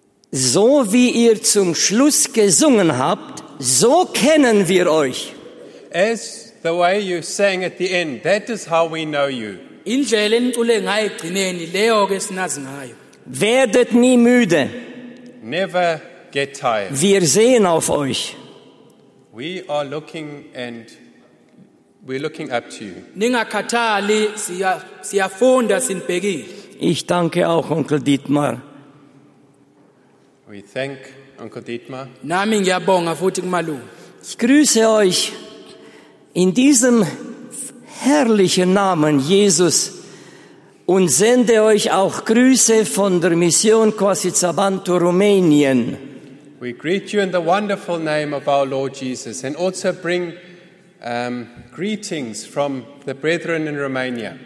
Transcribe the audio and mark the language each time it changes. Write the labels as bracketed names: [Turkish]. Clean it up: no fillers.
[German] So wie ihr zum Schluss gesungen habt, so kennen wir euch. [English] As the way you sang at the end, that is how we know you. [Zulu] Indlela enicule ngayo egcineni leyo ke sinazi ngayo. [German] Werdet nie müde. [English] Never get tired. [German] Wir sehen auf euch. [English] We are looking and we're looking up to you. [Zulu] Ningakhathali siyafunda sinibhekile. [German] Ich danke auch Onkel Dietmar. [English] We thank Uncle Dietmar. [Zulu] Nami ngiyabonga futhi kumalume. [German] Ich grüße euch in diesem herrlichen Namen Jesus und sende euch auch Grüße von der Mission Quasitzabantu Rumänien. [English] We greet you in the wonderful name of our Lord Jesus and also bring greetings from the brethren in Romania.